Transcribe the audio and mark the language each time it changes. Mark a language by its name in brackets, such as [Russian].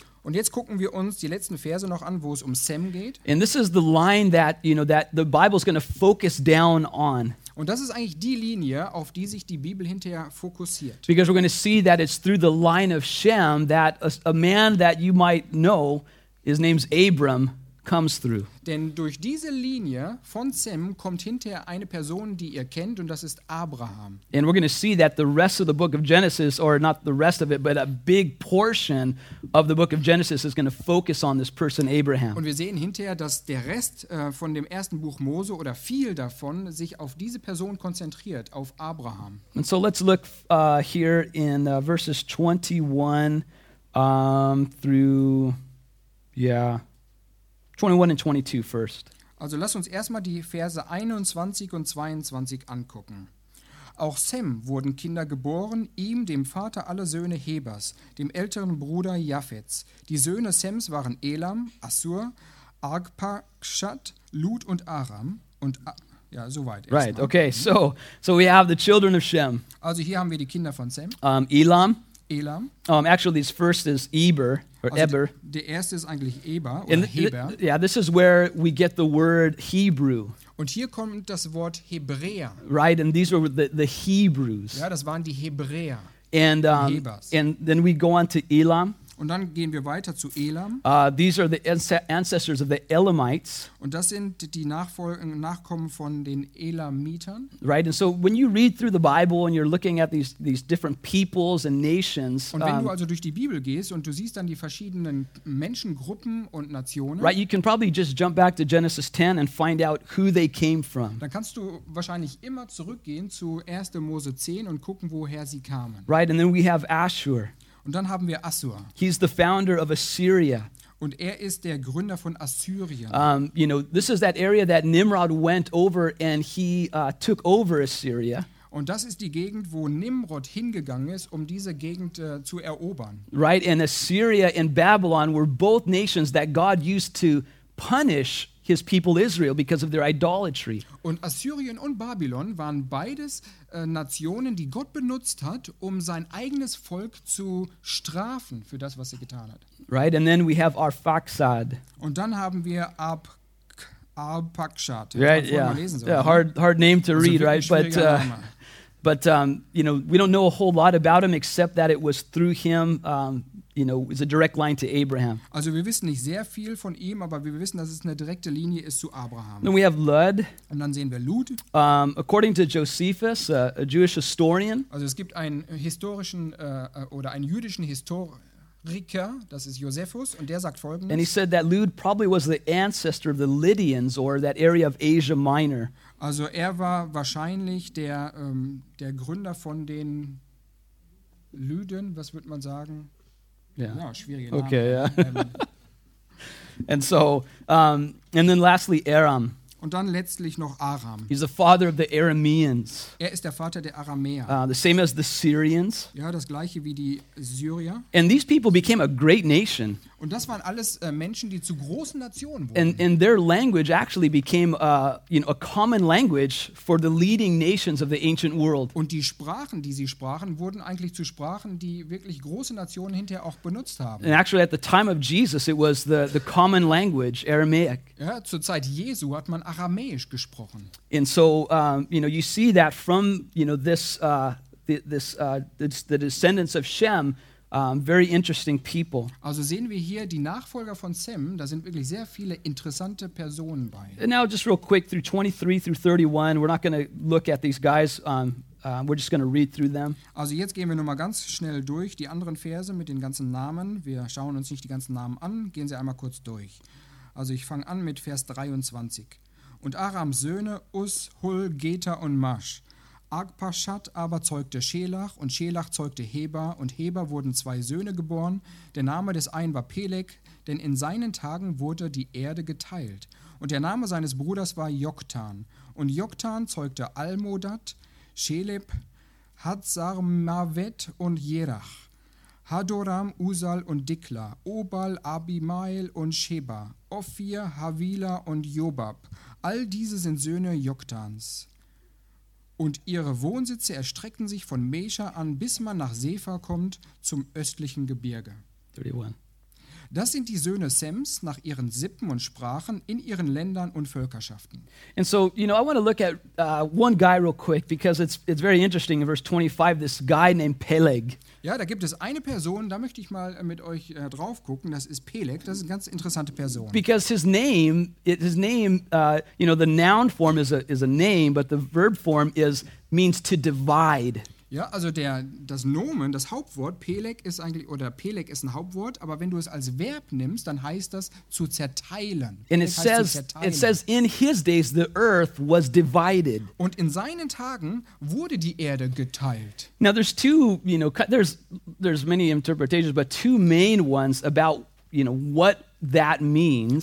[German] Und jetzt gucken wir uns die letzten Verse noch an, wo es um Sem geht. [English] And this is the line that, you know, that the Bible's going to focus down on. [German] Und das ist eigentlich die Linie, auf die sich die Bibel hinterher fokussiert. [English] Because we're going to see that it's through the line of Shem that a man that you might know, his name's Abram, comes through. [German] Denn durch diese Linie von Sem kommt hinterher eine Person, die ihr kennt, und das ist Abraham. [English] And we're going to see that the rest of the book of Genesis, or not the rest of it, but a big portion of the book of Genesis is going to focus on this person Abraham. [German] Und wir sehen hinterher, dass der Rest von dem ersten Buch Mose oder viel davon sich auf diese Person konzentriert, auf Abraham. [English] And so let's look here in verses 21 21 and 22 first. [German] Also lass uns erstmal die Verse 21 und 22 angucken. Auch Sem wurden Kinder geboren, ihm, dem Vater aller Söhne Hebers, dem älteren Bruder Japhets. Die Söhne Sems waren Elam, Assur, Arpachshad, Lut und Aram. Und ja, soweit. [English] Right, okay, so we have the children of Shem. [German] Also hier haben wir die Kinder von Sem. [English] Elam. Actually, this first is Eber. Eber. [German] Der erste ist eigentlich Eber oder Heber. [English] Yeah, this is where we get the word Hebrew. [German] Und hier kommt das Wort Hebräer. [English] Right, and these were the Hebrews. [German] Ja, das waren die Hebräer. [English] And Hebers. And then we go on to Elam. [German] Und dann gehen wir weiter zu Elam. [English] These are the ancestors of the Elamites. [German] Und das sind die Nachkommen von den Elamitern. [English] Right, and so when you read through the Bible and you're looking at these different peoples and nations. [German] Und wenn du also durch die Bibel gehst und du siehst dann die verschiedenen Menschengruppen und Nationen. [English] Right, you can probably just jump back to Genesis 10 and find out who they came from. [German] Dann kannst du wahrscheinlich immer zurückgehen zu 1. Mose 10 und gucken, woher sie kamen. [English] Right, and then we have Ashur. [German] Und dann haben wir Assur. [English] He's the founder of Assyria. [German] Und er ist der Gründer von Assyrien. [English] You know, this is that area that Nimrod went over and he took over Assyria. [German] Und das ist die Gegend, wo Nimrod hingegangen ist, um diese Gegend zu erobern. [English] Right, and Assyria and Babylon were both nations that God used to punish his people Israel because of their idolatry. [German] Und Assyrien und Babylon waren beides Nationen, die Gott benutzt hat, um sein eigenes Volk zu strafen für das, was sie getan hat. [English] Right, and then we have Arphaxad. [German] Und dann haben wir Arpachshad. [English] Right, yeah. Yeah, hard name to read, right? But you know, we don't know a whole lot about him except that it was through him you know, it's a direct line to Abraham. [German] Also wir wissen nicht sehr viel von ihm, aber wir wissen, dass es eine direkte Linie ist zu Abraham. [English] Then we have Lud. [German] Und dann sehen wir Lud. [English] According to Josephus, a Jewish historian. [German] Also es gibt einen historischen oder einen jüdischen Historiker, das ist Josephus, und der sagt Folgendes. [English] And he said that Lud probably was the ancestor of the Lydians or that area of Asia Minor. [German] Also er war wahrscheinlich der Gründer von den Lüden, was würde man sagen? [English] Yeah. [German] Ja, schwierige Namen. [English] Okay, yeah. And so, and then lastly, Aram. [German] Und dann letztlich noch Aram. [English] He's the father of the Arameans. [German] Er ist der Vater der Aramäer. [English] The same as the Syrians. [German] Ja, das gleiche wie die Syrier. [English] And these people became a great nation. [German] Und das waren alles Menschen, die zu großen Nationen wurden. [English] And their language actually became a common language for the leading nations of the ancient world. [German] Und die Sprachen, die sie sprachen, wurden eigentlich zu Sprachen, die wirklich große Nationen hinterher auch benutzt haben. [English] And actually at the time of Jesus it was the common language, Aramaic. [German] Ja, zur Zeit Jesu hat man Aramäisch gesprochen. [English] And so you see that from the descendants of Shem. Very interesting people. [German] Also sehen wir hier die Nachfolger von Sem, da sind wirklich sehr viele interessante Personen bei. And now just real quick through 23 through 31, we're not going to look at these guys, we're just going to read through them. Also jetzt gehen wir nur mal ganz schnell durch die anderen Verse mit den ganzen Namen. Wir schauen uns nicht die ganzen Namen an, gehen sie einmal kurz durch. Also ich fange an mit Vers 23. Und Arams Söhne, Us, Hul, Geta und Masch. Arpachshad aber zeugte Schelach und Schelach zeugte Heber und Heber wurden zwei Söhne geboren. Der Name des einen war Peleg, denn in seinen Tagen wurde die Erde geteilt. Und der Name seines Bruders war Joktan. Und Joktan zeugte Almodad, Scheleb, Hazarmavet und Jerach, Hadoram, Usal und Dikla, Obal, Abimael und Sheba, Ophir, Havila und Jobab. All diese sind Söhne Joktans. Und ihre Wohnsitze erstrecken sich von Mesha an, bis man nach Sepha kommt, zum östlichen Gebirge. 31. Das sind die Söhne Sems nach ihren Sippen und Sprachen in ihren Ländern und Völkerschaften. [English] And so, I want to look at one guy real quick, because it's very interesting in verse 25, this guy named Peleg. [German] Ja, da gibt es eine Person, da möchte ich mal mit euch drauf gucken, das ist Peleg, das ist eine ganz interessante Person. [English] Because his name, the noun form is a name, but the verb form means to divide. [German] Ja, also das Nomen, das Hauptwort, Peleg ist eigentlich, oder Peleg ist ein Hauptwort, aber wenn du es als Verb nimmst, dann heißt das zu zerteilen. [English] And it says, in his days the earth was divided. [German] Und in seinen Tagen wurde die Erde geteilt. [English] Now there's two, there's many interpretations, but two main ones about, what that means.